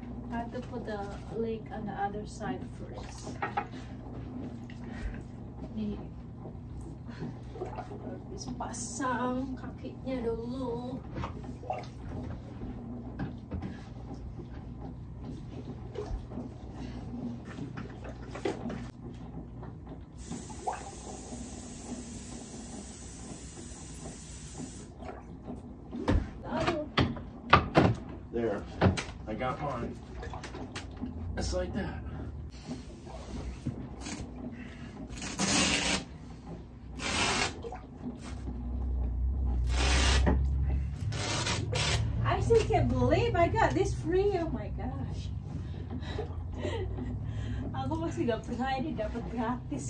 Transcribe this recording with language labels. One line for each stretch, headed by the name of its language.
English: I have to put the leg on the other side first.
Indonesian: Ini harus pasang kakinya dulu.
English: There, I got mine. Just like that. I still can't believe I got this free. Oh my gosh.
Indonesian: Aku masih gak percaya ini dapat gratis.